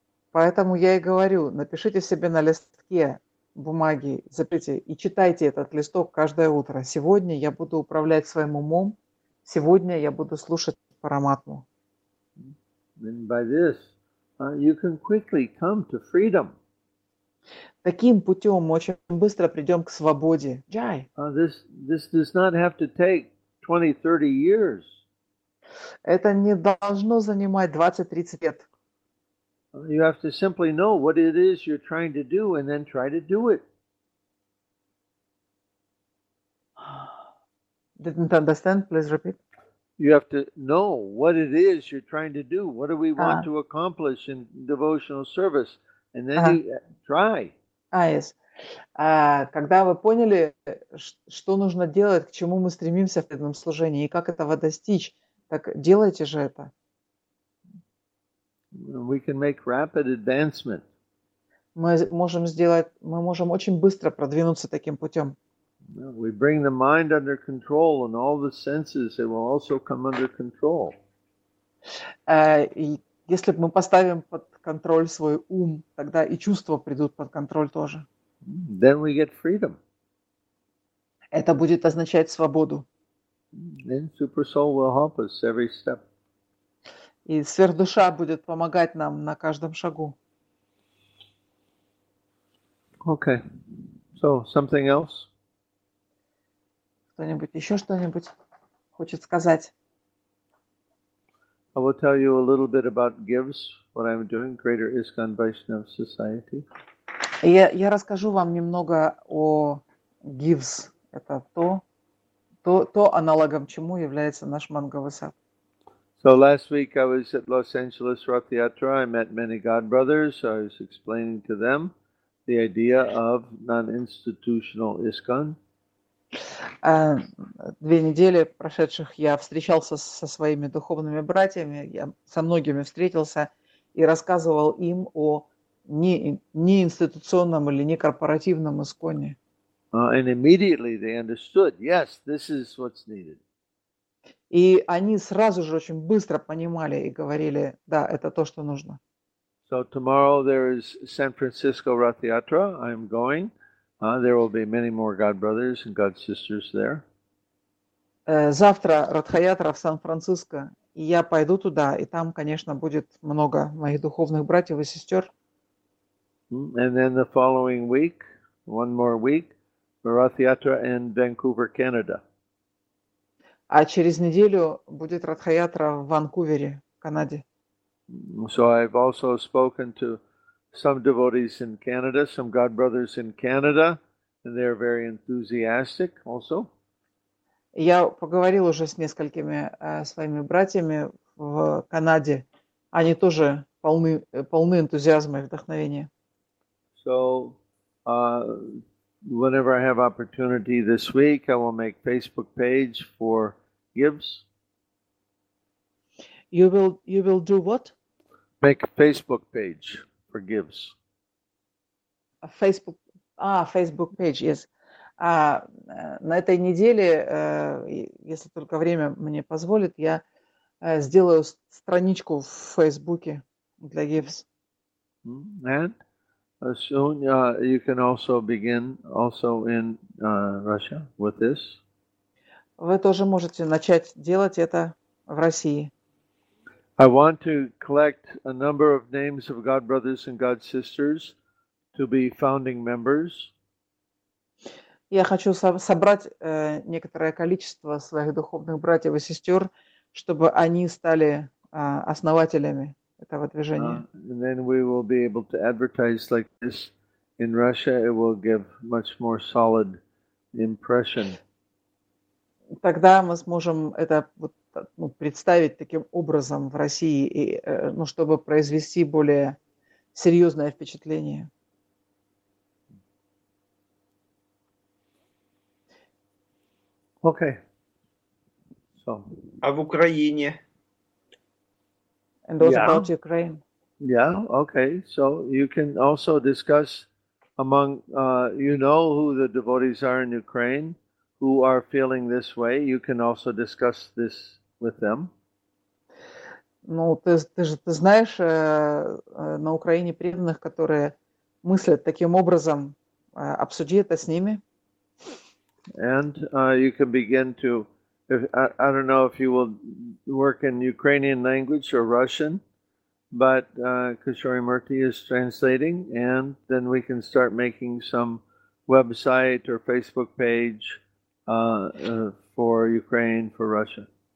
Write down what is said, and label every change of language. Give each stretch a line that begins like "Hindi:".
Russian: Поэтому я и говорю, напишите себе на листке бумаги, запишите и читайте этот листок каждое утро. Сегодня я буду управлять своим умом, сегодня я буду слушать Параматму.
English: And by this, you can quickly come to freedom.
Russian: Таким путем мы очень быстро придем к свободе. Jai.
English: This does not have to take 20-30 years.
Russian: Это не должно занимать 20-30 лет.
English: You have to simply know what it is you're trying to do and then try to do it. Didn't understand, please repeat. You have to know what it is you're trying to do. What do we want to accomplish in devotional service? And then try. Yes.
Russian: Когда вы поняли, что нужно делать, к чему мы стремимся в этом служении и как этого достичь, так делайте же это.
English: We can make rapid advancement.
Russian: Мы можем очень быстро продвинуться таким путем.
English: We bring the mind under control and all the senses, they will also come under control.
Russian: И Если бы мы поставим под контроль свой ум, тогда и чувства придут под контроль тоже.
English: Then we get freedom.
Russian: Это будет означать свободу.
English: Then super soul will help us every step.
Russian: И сверхдуша будет помогать нам на каждом шагу.
English: Okay. So, something else?
Russian: Кто-нибудь еще что-нибудь хочет сказать?
English: I will tell you a little bit about GIVS, what I'm doing, Greater ISKCON Vaishnav Society.
Russian: Я расскажу вам немного о GIVS. Это то аналогом чему является наш манговый сад.
English: So last week I was at Los Angeles Rath Yatra. I met many God brothers. I was explaining to them the idea of non-institutional ISKCON.
Russian: Две недели прошедших я встречался со своими духовными братьями, я со многими встретился и рассказывал им о неинституционном или некорпоративном исконе.
English: And immediately they understood, yes, this is what's needed.
Russian: И они сразу же очень быстро понимали и говорили, да, это то, что нужно.
English: So tomorrow there is San Francisco Rath Yatra, I'm going. There will be many more God brothers and God sisters there.
Russian: Завтра Радхаятра в Сан-Франциско, и я пойду туда, и там, конечно, будет много моих духовных братьев и сестер.
English: And then the following week, one more week, Rath Yatra in Vancouver, Canada.
Russian: А через неделю будет Радхаятра в Ванкувере, Канаде.
English: So I've also spoken to some devotees in Canada, some God brothers in Canada, and they are very enthusiastic also.
Russian: Я поговорил уже с несколькими своими братьями в Канаде. Они тоже полны энтузиазма и вдохновения.
English: So, whenever I have opportunity this week, I will make Facebook page for GIVS. You will do what? Make a Facebook page. Gives. Facebook page, yes.
Russian: На этой неделе, если только время мне позволит, я сделаю страничку в Фейсбуке для GIVS.
English: And soon you can also begin also in Russia with this.
Russian: Вы тоже можете начать делать это в России.
English: I want to collect a number of names of God brothers and God sisters to be founding members.
Russian: Я хочу собрать некоторое количество своих духовных братьев и сестер, чтобы они стали основателями этого движения.
English: And then we will be able to advertise like this in Russia. It will give much more solid impression.
Russian: Тогда мы сможем это вот представить таким образом в России, и, ну, чтобы произвести более серьезное впечатление.
English: Okay. So.
Russian: А в Украине?
English: And also about Ukraine. Yeah, okay. So you can also discuss among, you know who the devotees are in Ukraine, who are feeling this way. You can also discuss this with them.
Russian: Ну, ты знаешь на Украине преданных, которые мыслят таким образом, обсуди это с ними.
English: And you can begin to, if, I don't know if you will work in Ukrainian language or Russian, but Kishori Murthy is translating, and then we can start making some website or Facebook page for Ukraine, for Russia.